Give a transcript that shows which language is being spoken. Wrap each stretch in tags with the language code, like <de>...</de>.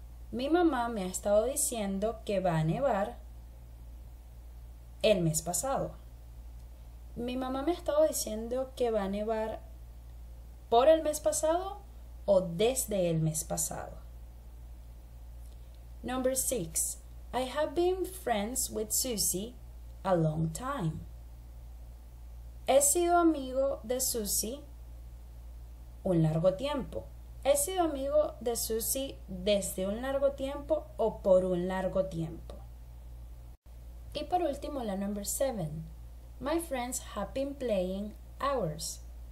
<es>Mi mamá me ha estado diciendo que va a nevar el mes pasado. Mi mamá me ha estado diciendo que va a nevar por el mes pasado o desde el mes pasado.</es> <en>Number 6. I have been friends with Susie a long time.</en> <es>He sido amigo de Susie un largo tiempo. He sido amigo de Susie desde un largo tiempo o por un largo tiempo. Y por último, la</es> <en>number 7. My friends have been playing hours.</en>